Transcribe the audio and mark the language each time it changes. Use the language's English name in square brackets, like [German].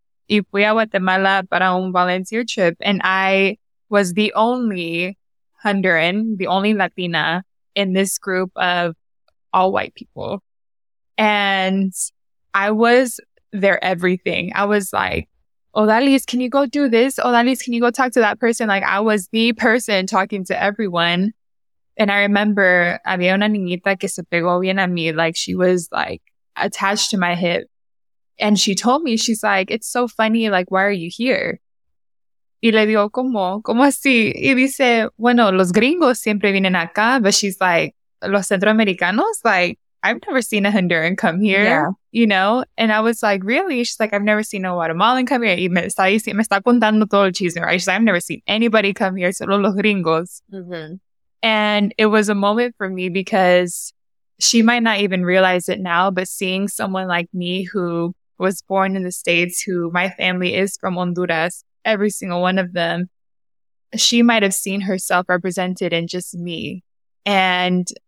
[Spanish] Y fui a Guatemala para un [English] volunteer trip. And I was the only Honduran, the only Latina in this group of all white people. And I was their everything. I was like, Odalis, can you go do this? Odalis, can you go talk to that person? Like, I was the person talking to everyone. And I remember, [Spanish] había una niñita que se pegó bien a mí. [English] Like, she was like attached to my hip. And she told me, she's like, it's so funny. Like, why are you here? [Spanish] Y le digo, ¿cómo así? Y dice, bueno, los gringos siempre vienen acá. [English] But she's like, [Spanish] los centroamericanos, [English] like, I've never seen a Honduran come here, you know? And I was like, really? She's like, I've never seen a Guatemalan come here. [Spanish] Y me está contando todo el chisme, [English] right? She's like, I've never seen anybody come here, [Spanish] solo los gringos. [English] Mm-hmm. And it was a moment for me, because she might not even realize it now, but seeing someone like me who was born in the States, who my family is from Honduras, every single one of them, she might have seen herself represented in just me. And